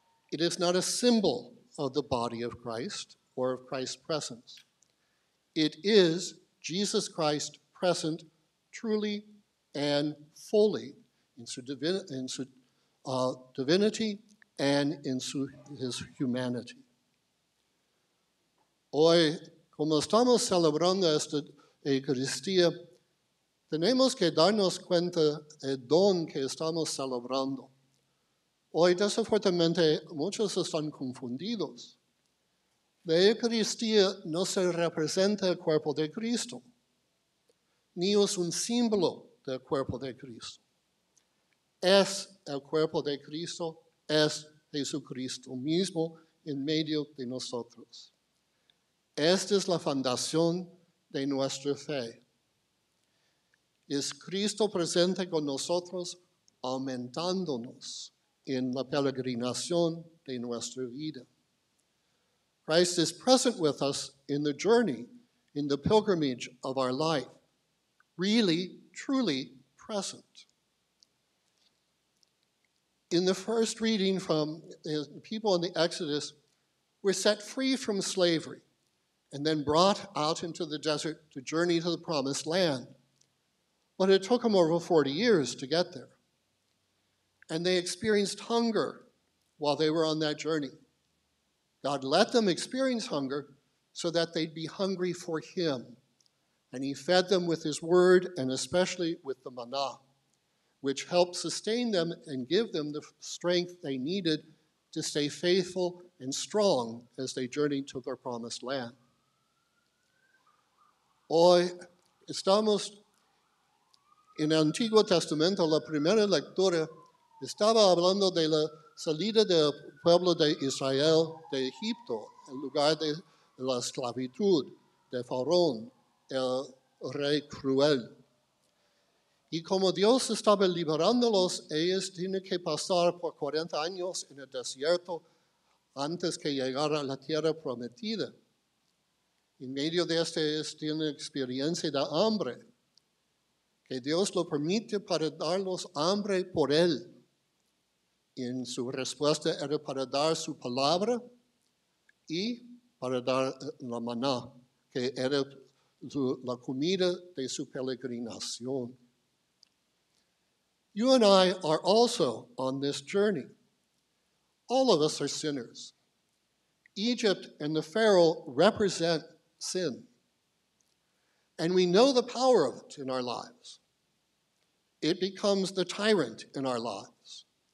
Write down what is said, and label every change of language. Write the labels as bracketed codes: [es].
[en] It is not a symbol of the body of Christ or of Christ's presence. It is Jesus Christ present truly and fully in su divinity and in su, his humanity. [es] Hoy, como estamos celebrando esta Eucaristía, tenemos que darnos cuenta del don que estamos celebrando. Hoy, desafortunadamente, muchos están confundidos. La Eucaristía no se representa el cuerpo de Cristo. ni es un símbolo del cuerpo de Cristo. Es el cuerpo de Cristo, es Jesucristo mismo en medio de nosotros. Esta es la fundación de nuestra fe. Es Cristo presente con nosotros, aumentándonos en la peregrinación de nuestra vida. [en] Christ is present with us in the journey, in the pilgrimage of our life, really, truly present. In the first reading from the people in the Exodus, we're set free from slavery and then brought out into the desert to journey to the promised land. But it took them over 40 years to get there. And they experienced hunger while they were on that journey. God let them experience hunger so that they'd be hungry for him. And he fed them with his word and especially with the manna, which helped sustain them and give them the strength they needed to stay faithful and strong as they journeyed to their promised land. [es] Hoy estamos en el Antiguo Testamento, la primera lectura estaba hablando de la salida del pueblo de Israel de Egipto, en lugar de la esclavitud de Faraón, el rey cruel. Y como Dios estaba liberándolos, ellos tienen que pasar por 40 años en el desierto antes que llegar a la tierra prometida. En medio de esto, ellos tienen experiencia de hambre, que Dios lo permite para darlos hambre por él. En su respuesta era para dar su palabra y para dar la maná, que era la comida de su peregrinación. [en] You and I are also on this journey. All of us are sinners. Egypt and the Pharaoh represent sin. And we know the power of it in our lives. It becomes the tyrant in our lives.